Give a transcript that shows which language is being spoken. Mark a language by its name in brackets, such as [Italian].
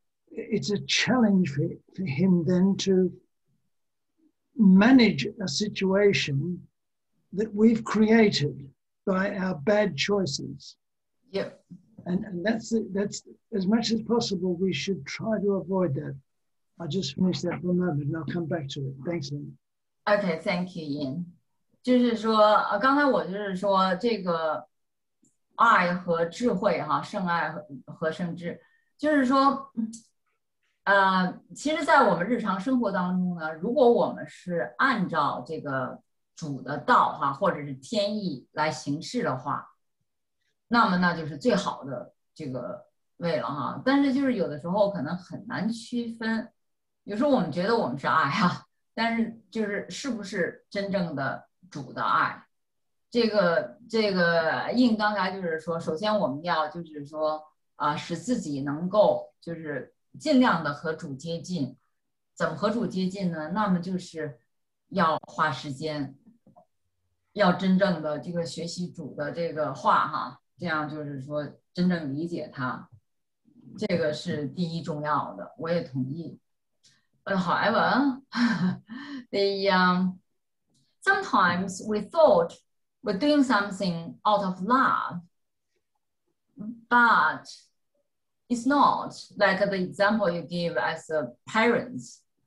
[English] It's a challenge for him then to manage a situation that we've created by our bad choices. Yep. And that's as much as possible, we should try to avoid that. I'll just finish that for a moment and I'll come back to it. Thanks, Lynn. Okay, thank you, Ian. [Chinese] 就是说，刚才我就是说，这个爱和智慧，哈，圣爱和圣智，就是说，其实，在我们日常生活当中呢，如果我们是按照这个主的道，哈，或者是天意来行事的话，那么那就是最好的这个位了哈，但是就是有的时候可能很难区分，有时候我们觉得我们是爱哈，但是就是是不是真正的主的爱，这个应刚才就是说，首先我们要就是说使自己能够就是尽量的和主接近，怎么和主接近呢？那么就是要花时间，要真正的这个学习主的这个话哈。这样就是说，真正理解他，这个是第一重要的。我也同意。 [English] However, sometimes we thought we're doing something out of love, but It's not like the example you give as a parents.